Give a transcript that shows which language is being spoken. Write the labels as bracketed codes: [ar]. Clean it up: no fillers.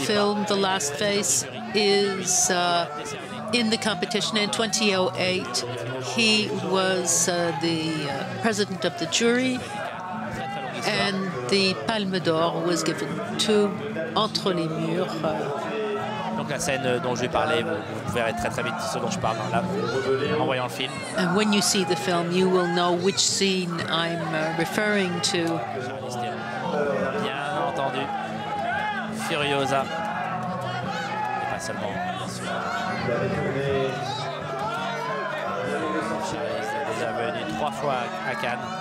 [en] film, The Last Face, is in the competition. In 2008, he was the president of the jury, and the Palme d'Or was given to Entre les Murs. [fr] Donc la scène dont je vais parler, vous verrez très très vite ce dont je parle dans la, en voyant le film. [en] And when you see the film, you will know which scene I'm referring to. [fr] Bien entendu. Furiosa. Et pas seulement. Charlize est venue trois fois à Cannes.